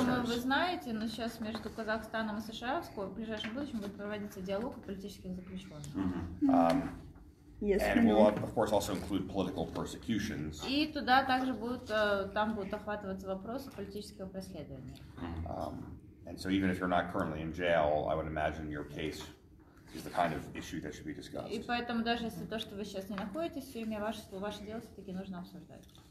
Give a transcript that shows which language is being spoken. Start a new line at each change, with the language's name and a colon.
Russian: Потому что, я думаю, вы знаете, но сейчас между Казахстаном и США в ближайшем будущем будет проводиться диалог о политических заключенных.
English: Yes, and will, of course, also include political persecutions.
Russian: И туда также будут, там будут охватываться вопросы политического преследования.
English: And so even if you're not currently in jail, I would imagine your case is the kind of issue that should be discussed.
Russian: И поэтому даже если то, что вы сейчас не находитесь, в тюрьме, ваше дело все-таки нужно обсуждать.